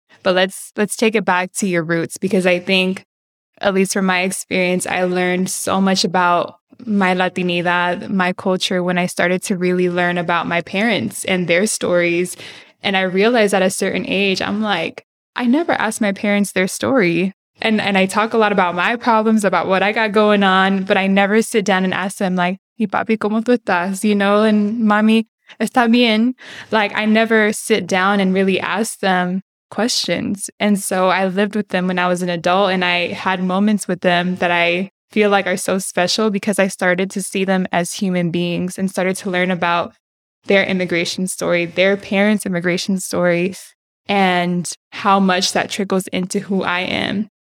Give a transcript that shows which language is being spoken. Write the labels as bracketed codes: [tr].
[en] But let's take it back to your roots, because I think, at least from my experience, I learned so much about my Latinidad, my culture, when I started to really learn about my parents and their stories. And I realized at a certain age, I'm like, I never asked my parents their story. And I talk a lot about my problems, about what I got going on, but I never sit down and ask them, like, [es] ¿y papi, cómo tú estás? [en] You know, and [es] mami, ¿está bien? [en] Like, I never sit down and really ask them questions. And so I lived with them when I was an adult, and I had moments with them that I feel like are so special because I started to see them as human beings and started to learn about their immigration story, their parents' immigration story, and how much that trickles into who I am.